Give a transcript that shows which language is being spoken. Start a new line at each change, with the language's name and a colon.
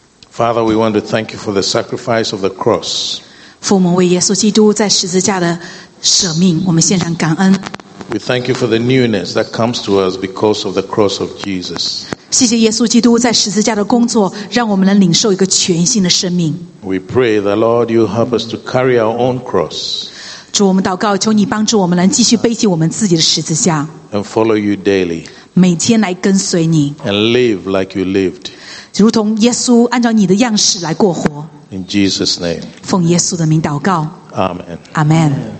English: Father, we want to thank you for the sacrifice of the cross.
Chinese: 父母为耶稣基督在十字架的舍命，我们献上感恩。
English: We thank you for the newness that comes to us because of the cross of Jesus.
Chinese: 谢谢耶稣基督在十字架的工作，让我们能领受一个全新的生命。
English: We pray that Lord, you help us to carry our own cross.
Chinese: 主，我们祷告，求你帮助我们能继续背起我们自己的十字架。
English: And follow you daily.
Chinese: 每天来跟随你。
English: And live like you lived.
Chinese: 如同耶稣按照你的样式来过活。
English: In Jesus' name.
Chinese: 奉耶稣的名祷告。
English: Amen. Amen.